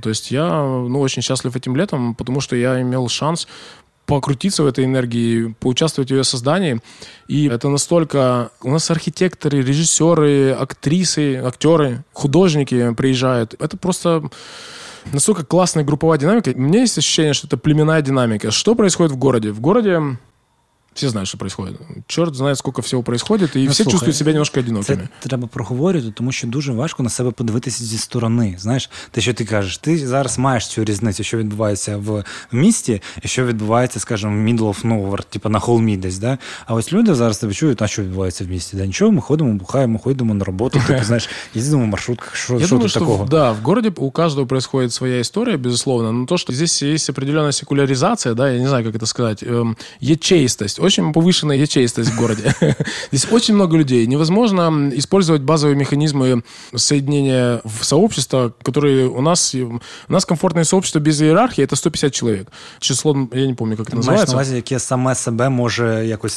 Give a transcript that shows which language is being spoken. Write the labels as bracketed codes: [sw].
[ru] То есть я очень счастлив этим летом, потому что я имел шанс покрутиться в этой энергии, поучаствовать в ее создании. И это настолько... У нас архитекторы, режиссеры, актрисы, актеры, художники приезжают. Это просто... Настолько классная групповая динамика. У меня есть ощущение, что это племенная динамика. Что происходит в городе? В городе... Все знают, [uk] що происходит. Чорт знає, скільки всього происходит, і всі чувствують себе немножко одинокими. Це треба проговорити, тому що дуже важко на себе подивитися зі сторони. Знаєш, те, що ти кажеш, ти зараз маєш цю різницю, що відбувається в місті, і що відбувається, скажімо, в [en] middle of nowhere, [uk] типу на холмі десь. [ru] Да? [uk] А ось люди зараз тебе чують, а що відбувається в місті? Да нічого, ми ходимо, бухаємо, ходимо на роботу, типу, знаєш, їздимо в маршрутках, що, я що думаю, тут такого? Да, в городі у кожного происходит своя історія, безусловно. Но то, що здесь є определена секуляризація, да, я не знаю, як це сказати, ячеїстость. [ru] Очень повышенная ячеистость в городе. Здесь очень много людей. Невозможно использовать базовые механизмы соединения в сообщество, которые у нас комфортное сообщество без иерархии, это 150 человек. Число, я не помню, как это называется. Знаешь, на базе, какие сама СБ может якось...